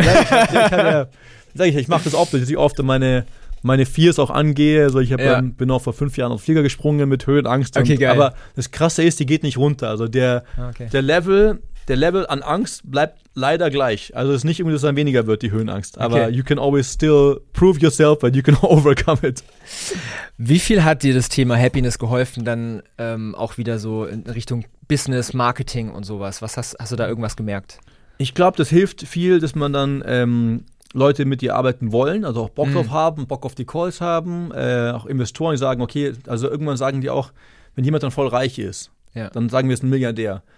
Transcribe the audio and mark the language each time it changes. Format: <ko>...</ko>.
<de>Ich mache das oft, dass ich oft meine Fears auch angehe. Also ich bin auch vor 5 Jahren auf Flieger gesprungen mit Höhenangst. Okay, geil. Aber das Krasse ist, die geht nicht runter. Also der Level an Angst bleibt leider gleich. Also es ist nicht irgendwie, dass es dann weniger wird, die Höhenangst. Aber okay.</de> <en>You can always still prove yourself and you can overcome it.</en> <de>Wie viel hat dir das Thema Happiness geholfen, dann auch wieder so in Richtung Business, Marketing und sowas? Was hast du da irgendwas gemerkt? Ich glaube, das hilft viel, dass man dann Leute mit dir arbeiten wollen, also auch Bock drauf haben, Bock auf die Calls haben, auch Investoren sagen, okay, also irgendwann sagen die auch, wenn jemand dann voll reich ist, dann sagen wir, es ist ein Milliardär.</de>